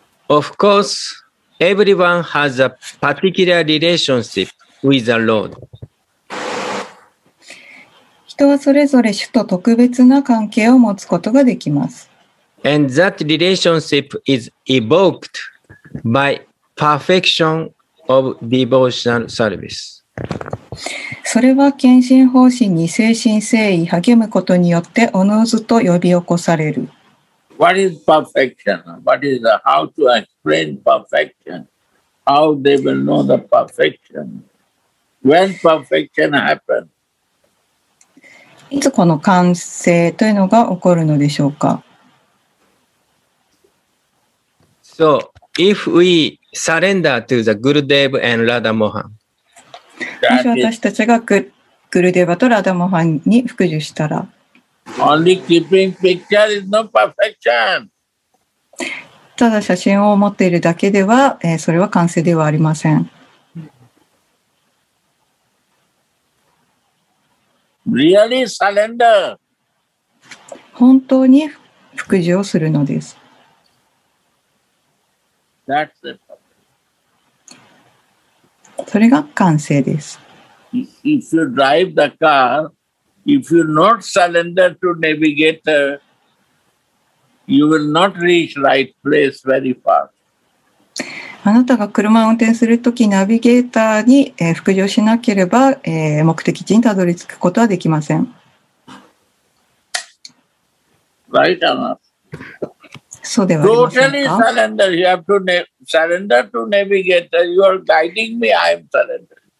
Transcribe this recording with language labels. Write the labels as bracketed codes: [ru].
[en] Of course, everyone has a particular relationship with the Lord. [ja] 人はそれぞれ主と特別な関係を持つことができます。 [en] And that relationship is evoked by perfection of devotional service. [ja] それは献身奉仕に誠心誠意励むことによっておのずと呼び起こされる。 [en] What is perfection? What is the, how to explain perfection? How they will know the perfection? When perfection happens? [ja] いつこの完成というのが起こるのでしょうか? [en] So, if we surrender to the Gurudev and Radha Mohan, [ja] もし私たちがグルデーバとラダモハンに服従したら、 [en] Only keeping picture is no perfection. [ja] ただ写真を持っているだけでは、それは完成ではありません。 [en] Really surrender. [ja] 本当に服従をするのです。 [en] That's it. [ja] それが完成です。 [en] If you drive the car, if you not surrender to navigator, you will not reach right place very fast. [ja] あなたが車を運転するとき、ナビゲーターに服従しなければ、目的地にたどり着くことはできません。 [en] Right or not? [ja] そうではありませんか? [en] Totally surrender. You have to surrender to navigator. You are guiding me. I am surrendering.